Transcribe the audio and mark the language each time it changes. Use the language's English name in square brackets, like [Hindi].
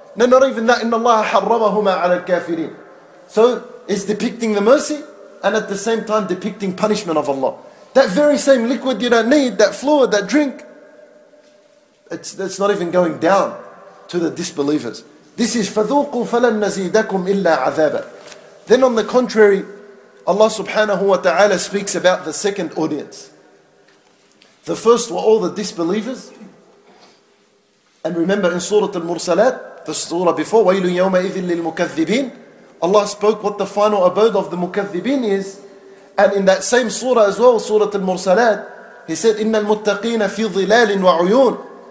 [English] No, not even that. [Arabic] إِنَّ اللَّهَ حَرَّمَهُمَا عَلَى الْكَافِرِينَ. [English] So it's depicting the mercy and at the same time depicting punishment of Allah. That very same liquid you don't need, that fluid, that drink, it's not even going down to the disbelievers. This is [Arabic] فَذُوقُوا فَلَنْ نَزِيدَكُمْ إِلَّا عَذَابًا. [English] Then on the contrary, Allah subhanahu wa ta'ala speaks about the second audience. The first were all the disbelievers. And remember in Surah Al-Mursalat, the surah before, [Arabic] وَيْلٌ يَوْمَئِذٍ لِلْمُكَذِّبِينَ. [English] Allah spoke what the final abode of the mukathibin is. And in that same surah as well, Surah Al-Mursalat, He said, [Arabic] إِنَّ الْمُتَّقِينَ فِي ظِلَالٍ وَعُيُونَ.